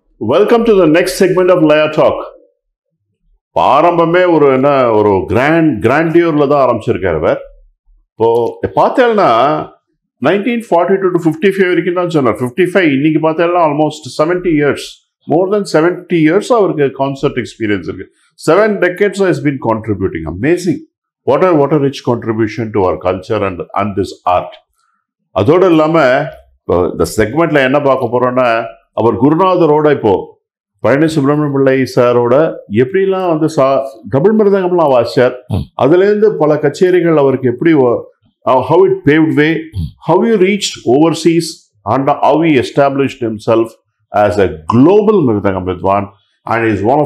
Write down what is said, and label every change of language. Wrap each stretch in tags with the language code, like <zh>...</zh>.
<en>Welcome to the next segment of Laya Talk.</en> <ta>பாரம்பமே ஒரு என்ன ஒரு கிராண்ட் கிராண்டியூர்ல தான் ஆரம்பிச்சிருக்காரு அவர் இப்போ பார்த்தேன்னா 1942 to 1955 வரைக்கும் தான் சொன்னார் 1955 இன்னைக்கு பார்த்தேன்</ta> <en>almost 70 years more than 70 years</en> <ta>அவருக்கு கான்சர்ட் எக்ஸ்பீரியன்ஸ் இருக்கு</ta> <en>7 decades has been contributing. Amazing. What a rich contribution to our culture and this art.</en> <ta>அதோடு இல்லாமல் இந்த செக்மெண்ட்ல என்ன பார்க்க போறோம்னா அவர் குருநாதரோட இப்போ பழனி சுப்பிரமணிய பிள்ளை சாரோட எப்படிலாம் வந்து டபுள் மிருதங்கம்லாம் வாசிச்சார் அதுலேருந்து பல கச்சேரிகள் அவருக்கு எப்படி</ta> <en>how it paved way how you reach overseas and how you establish himself as a global mridangam vidwan and is</en>